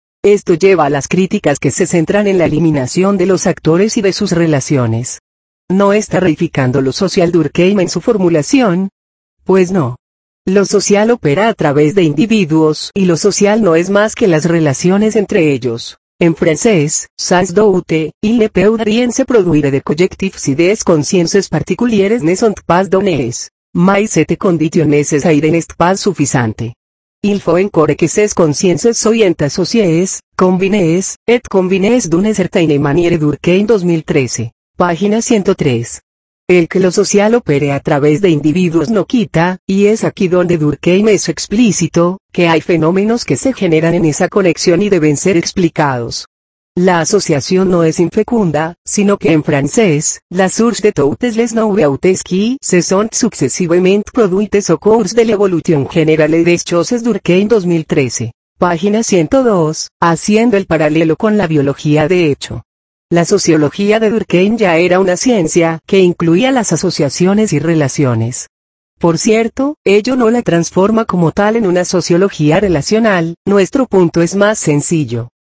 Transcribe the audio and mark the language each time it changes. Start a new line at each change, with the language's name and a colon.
Spanish: Esto lleva a las críticas que se centran en la eliminación de los actores y de sus relaciones. ¿No está reificando lo social Durkheim en su formulación? Pues no. Lo social opera a través de individuos y lo social no es más que las relaciones entre ellos. En francés,
French: sans doute, il ne peut rien se produire de collectif si des consciences particulières ne sont pas données. Mais cette condition nécessaire n'est pas suffisante. Il faut encore que ces consciences soient associées, combinées, et combinées d'une certaine manière Durkheim 2013.
Spanish: Página 103. El que lo social opere a través de individuos no quita, y es aquí donde Durkheim es explícito, que hay fenómenos que se generan en esa conexión y deben ser explicados. La asociación no es infecunda, sino que en francés,
French: la source de toutes les nouveautés qui se sont successivement produites au cours de l'évolution générale des choses Durkheim 2013.
Spanish: Página 102, haciendo el paralelo con la biología de hecho. La sociología de Durkheim ya era una ciencia que incluía las asociaciones y relaciones. Por cierto, ello no la transforma como tal en una sociología relacional, nuestro punto es más sencillo.